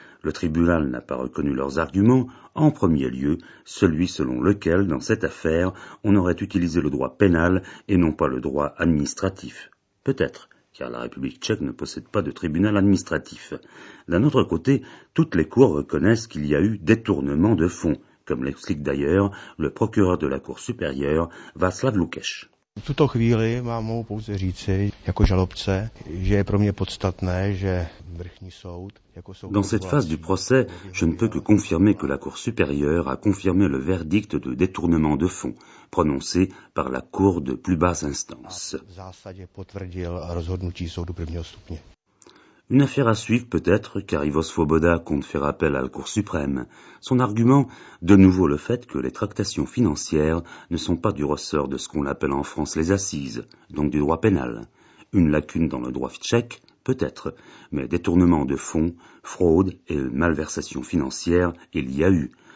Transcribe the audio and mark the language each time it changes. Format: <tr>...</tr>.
<fr>Le tribunal n'a pas reconnu leurs arguments, en premier lieu celui selon lequel, dans cette affaire, on aurait utilisé le droit pénal et non pas le droit administratif. Peut-être, car la République tchèque ne possède pas de tribunal administratif. D'un autre côté, toutes les cours reconnaissent qu'il y a eu détournement de fonds, comme l'explique d'ailleurs le procureur de la Cour supérieure, Václav Lukeš.</fr> <cs>V tuto chvíli mám mohu pouze říci jako žalobce, že je pro mě podstatné, že vrchní soud jako soud.</cs> <fr>Dans cette phase du procès, je ne peux que confirmer que la Cour supérieure a confirmé le verdict de détournement de fonds prononcé par la Cour de plus basse instance.</fr> <cs>V zásadě potvrdil rozhodnutí soudu prvního stupně.</cs> <fr>Une affaire à suivre peut-être, car Ivo Svoboda compte faire appel à la Cour suprême. Son argument, de nouveau le fait que les tractations financières ne sont pas du ressort de ce qu'on appelle en France les assises, donc du droit pénal. Une lacune dans le droit tchèque, peut-être, mais détournement de fonds, fraude et malversation financière, il y a eu.</fr>